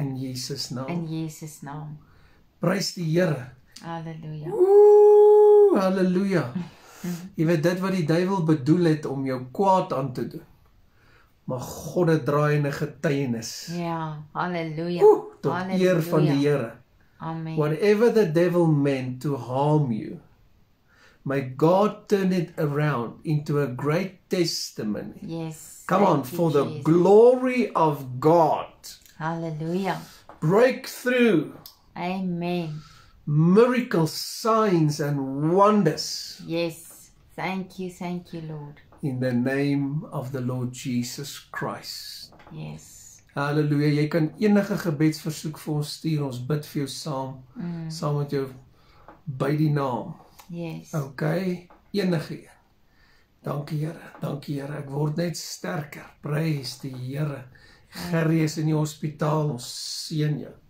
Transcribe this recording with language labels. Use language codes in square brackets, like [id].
[af] In Jesus naam. In Jesus naam. Prys die Here. Halleluja. Halleluja. Jy weet dit wat die duivel bedoel het om jou kwaad aan te doen. Maar God het draai in 'n getuienis. Ja, halleluja. Tot eer van die Here. Amen. [en] Whatever the devil meant to harm you, may God turn it around into a great testimony. Yes. Come on, for the glory of God. Halleluja. Breakthrough. Amen. Miracle signs and wonders. Yes. Thank you, Lord. In the name of the Lord Jesus Christ. Yes. Halleluja. [af] Jy kan enige gebedsversoek vir ons stuur. Ons bid vir jou saam. Mm. Saam met jou by die naam. [en] Yes. [af] Okay. Enige een. Dankie Here. Dankie Here. Ek word net sterker. Prys die Here. Gerrie is in die hospitaal. Ons seën jou.